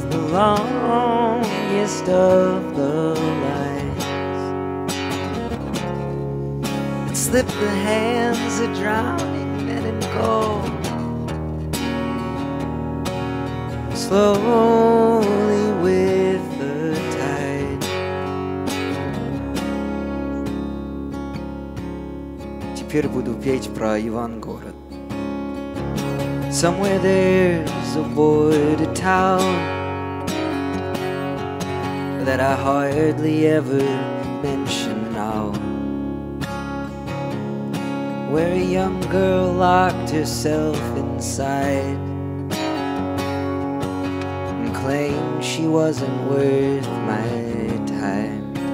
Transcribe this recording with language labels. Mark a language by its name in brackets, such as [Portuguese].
[English] Longest of the lights that slip the hands of drowning men in gold, slowly with the tide. [Russian] Теперь буду петь про Ивангород. [English] Somewhere there's a border town that I hardly ever mention now, where a young girl locked herself inside and claimed she wasn't worth my time.